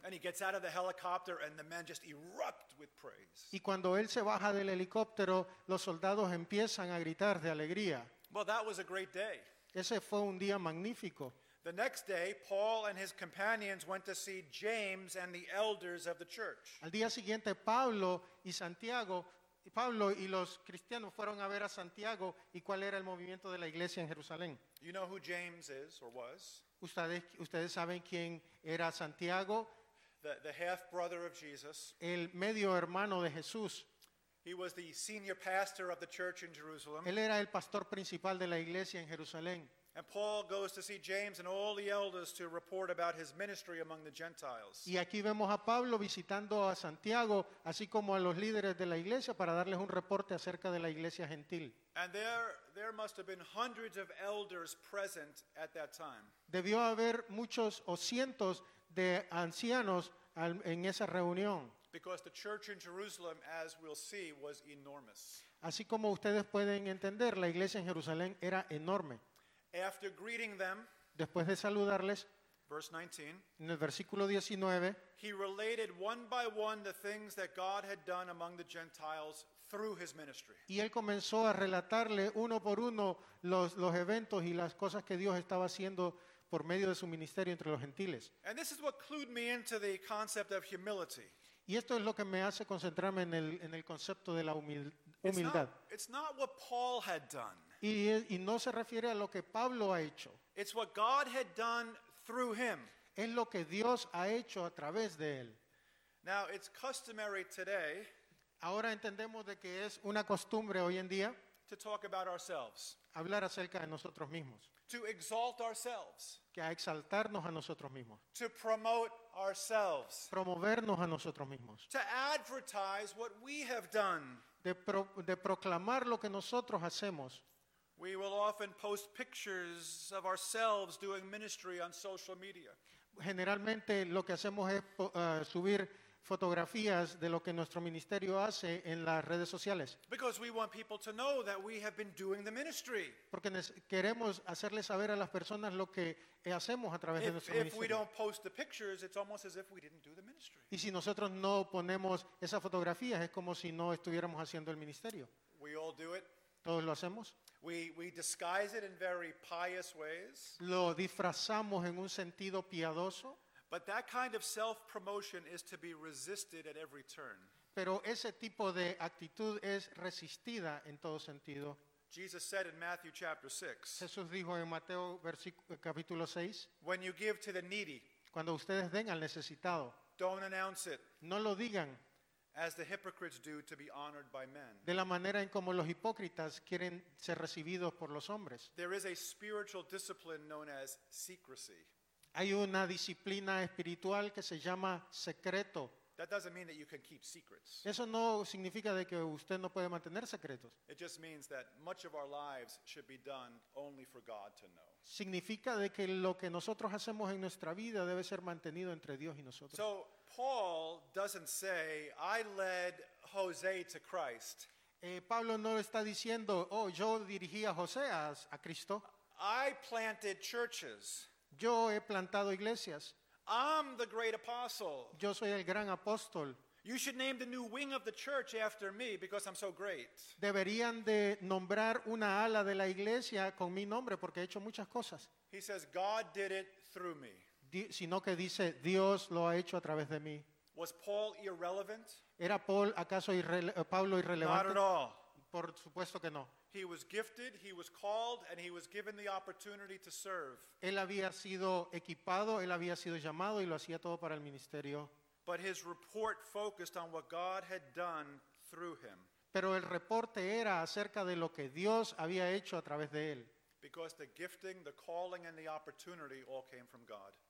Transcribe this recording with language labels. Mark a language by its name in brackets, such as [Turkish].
[English] And he gets out of the helicopter and the men just erupt with praise. [Spanish] Y cuando él se baja del helicóptero, los soldados empiezan a gritar de alegría. [English] Well, that was a great day. [Spanish] Ese fue un día magnífico. [English] The next day, Paul and his companions went to see James and the elders of the church. [Spanish] Al día siguiente, Pablo y los cristianos fueron a ver a Santiago y cuál era el movimiento de la iglesia en Jerusalén. [English] You know who James is or was? [Spanish] ¿Ustedes saben quién era Santiago? [English] The half-brother of Jesus. [Spanish] El medio hermano de Jesús. [English] He was the senior pastor of the church in Jerusalem. [Spanish] Él era el pastor principal de la iglesia en Jerusalén. [English] And Paul goes to see James and all the elders to report about his ministry among the Gentiles. [Spanish] Y aquí vemos a Pablo visitando a Santiago, así como a los líderes de la iglesia, para darles un reporte acerca de la iglesia gentil. [English] And there must have been hundreds of elders present at that time. [Spanish] Debió haber muchos o cientos de ancianos en esa reunión. [English] Because the church in Jerusalem, as we'll see, was enormous. [Spanish] Así como ustedes pueden entender, la iglesia en Jerusalén era enorme. [English] After greeting them, [Spanish] después de saludarles, [English] verse 19, [Spanish] en el versículo 19, [English] he related one by one the things that God had done among the Gentiles through his ministry. [Spanish] Y él comenzó a relatarle uno por uno los eventos y las cosas que Dios estaba haciendo por medio de su ministerio entre los gentiles. [English] And this is what clued me into the concept of humility. [Spanish] Y esto es lo que me hace concentrarme en el concepto de la humildad. [English] It's not what Paul had done. [Spanish] Y no se refiere a lo que Pablo ha hecho. [English] It's what God had done through him. [Spanish] Es lo que Dios ha hecho a través de él. [English] Now, it's customary today. [Spanish] Ahora entendemos de que es una costumbre hoy en día [English] to talk about ourselves. [Spanish] Hablar acerca de nosotros mismos. [English] To exalt ourselves. [Spanish] Que a exaltarnos a nosotros mismos. [English] To promote ourselves. [Spanish] Promovernos a nosotros mismos. [English] To advertise what we have done. [Spanish] De proclamar lo que nosotros hacemos. [English] We will often post pictures of ourselves doing ministry on social media. [Spanish] Generalmente lo que hacemos es subir fotografías de lo que nuestro ministerio hace en las redes sociales. [English] Because we want people to know that we have been doing the ministry. [Spanish] Porque queremos hacerle saber a las personas lo que hacemos a través de nuestro ministerio. [English] If we don't post the pictures, it's almost as if we didn't do the ministry. [Spanish] Y si nosotros no ponemos esas fotografías, es como si no estuviéramos haciendo el ministerio. [English] We all do it. [Spanish] Todos lo hacemos. [English] We disguise it in very pious ways. [Spanish] Lo disfrazamos en un sentido piadoso. [English] But that kind of self-promotion is to be resisted at every turn. [Spanish] Pero ese tipo de actitud es resistida en todo sentido. [English] Jesus said in Matthew chapter 6. [Spanish] Jesús dijo en Mateo capítulo 6. [English] When you give to the needy. [Spanish] Cuando ustedes den al necesitado. [English] Don't announce it. [Spanish] No lo digan. [English] As the hypocrites do to be honored by men. [Spanish] De la manera en como los hipócritas quieren ser recibidos por los hombres. [English] There is a spiritual discipline known as secrecy. [Spanish] Hay una disciplina espiritual que se llama secreto. [English] That doesn't mean that you can keep secrets. [Spanish] Eso no significa de que usted no puede mantener secretos. [English] It just means that much of our lives should be done only for God to know. [Spanish] Significa de que lo que nosotros hacemos en nuestra vida debe ser mantenido entre Dios y nosotros. [English] So Paul doesn't say, I led Jose to Christ. [Spanish] Pablo no está diciendo, oh, yo dirigí a José a Cristo. [English] I planted churches. [Spanish] Yo he plantado iglesias. [English] I'm the great apostle. [Spanish] Yo soy el gran apóstol. [English] You should name the new wing of the church after me because I'm so great. [Spanish] Deberían de nombrar una ala de la iglesia con mi nombre porque he hecho muchas cosas. [English] He says God did it through me. [Spanish] Sino que dice Dios lo ha hecho a través de mí. [English] Was Paul irrelevant? [Spanish] ¿Era Paul acaso Pablo irrelevante? [English] Not at all. [Spanish] Por supuesto que no. [English] He was gifted, he was called, and he was given the opportunity to serve. [Spanish] Él había sido equipado, él había sido llamado y lo hacía todo para el ministerio. [English] But his report focused on what God had done through him. [Spanish] Pero el reporte era acerca de lo que Dios había hecho a través de él. [English] Because the gifting, the calling, and the opportunity all came from God.